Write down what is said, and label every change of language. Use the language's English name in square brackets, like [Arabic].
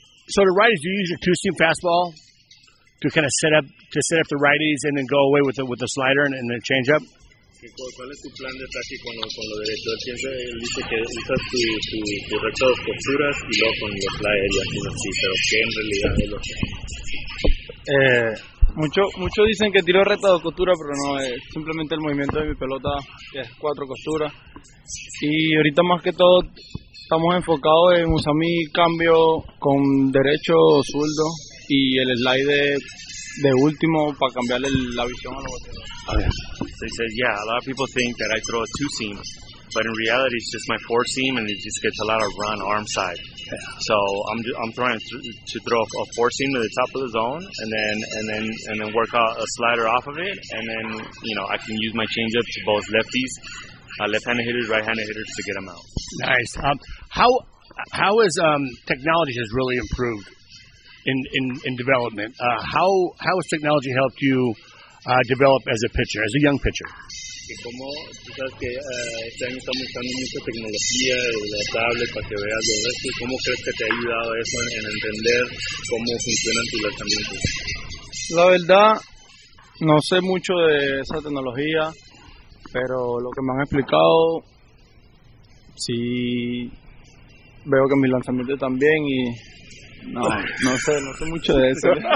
[English] So the righties, do you use your two-seam fastball? to kind of set up the righties and then go away with the slider and the change up. [Spanish] ¿Cuál es tu plan de ataque con lo derecho? Él dice que usa tu recto de posturas y luego con los sliders y así, no, sí, pero ¿qué en realidad es lo que? Muchos dicen que tiro recta de costura, pero no, es simplemente el movimiento de mi pelota, que es cuatro costuras. Y ahorita más que todo estamos enfocados en usar mi cambio con derecho zurdo y el slide de último para cambiarle la visión a los boteadores. [English] So he says, yeah, a lot of people think that I throw a two seam, but in reality it's just my four seam and it just gets a lot of run arm side. So I'm trying to throw a four seam to the top of the zone and then work out a slider off of it, and then, you know, I can use my changeup to both lefties, left-handed hitters, right-handed hitters, to get them out. Nice. How has technology has really improved in development? How has technology helped you develop as a pitcher, as a young pitcher? [Spanish] Como tú sabes que este año estamos usando mucha tecnología, la tablet, para que veas lo resto, y cómo crees que te ha ayudado eso en entender cómo funcionan tus lanzamientos. La verdad, no sé mucho de esa tecnología, pero lo que me han explicado, sí veo que mis lanzamientos están bien, y no sé mucho de eso.